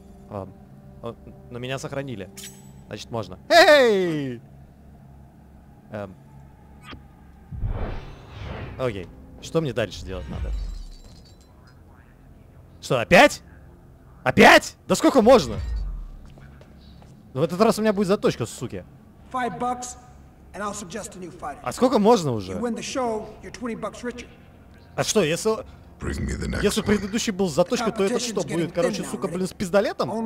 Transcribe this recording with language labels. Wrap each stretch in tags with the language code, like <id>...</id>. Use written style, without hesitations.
<ru>Но меня сохранили. Значит, можно. Эй! Окей. Что мне дальше делать надо? Что, опять? Опять? Да сколько можно? Ну, в этот раз у меня будет заточка, суки.</ru> <en>$5, and I'll suggest a new fighter.</en> <ru>А сколько можно уже?</ru> <en>You win the show, you're $20 richer.</en> <ru>А что, если... Если предыдущий был с заточкой, то это что будет? Короче, сука, блин, с пистолетом?</ru>